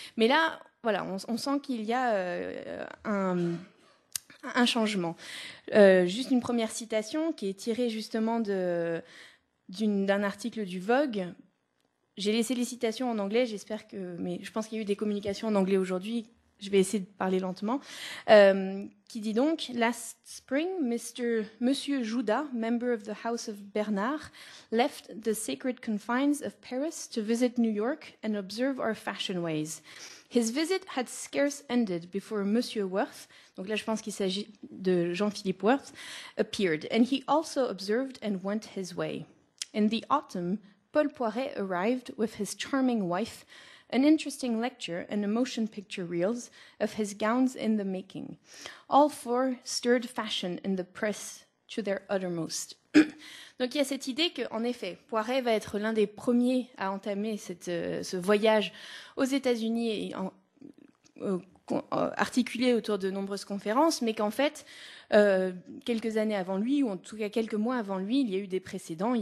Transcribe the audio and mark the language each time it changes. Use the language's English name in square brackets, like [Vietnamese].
[French] Mais là, voilà, on sent qu'il y a un changement. Juste une première citation qui est tirée justement d'un article du Vogue. J'ai laissé les citations en anglais, j'espère que... Mais je pense qu'il y a eu des communications en anglais aujourd'hui. Je vais essayer de parler lentement. Qui dit donc [English] « Last spring, Monsieur Jouda, member of the House of Bernard, left the sacred confines of Paris to visit New York and observe our fashion ways. » His visit had scarce ended before Monsieur Worth, [French] donc là je pense qu'il s'agit de Jean-Philippe Worth, [English] appeared, and he also observed and went his way. In the autumn, Paul Poiret arrived with his charming wife, an interesting lecture and a motion picture reels of his gowns in the making. All four stirred fashion in the press to their uttermost. [French] Donc il y a cette idée qu'en effet, Poiret va être l'un des premiers à entamer ce voyage aux États-Unis et articulé autour de nombreuses conférences, mais qu'en fait, quelques années avant lui, ou en tout cas quelques mois avant lui, il y a eu des précédents.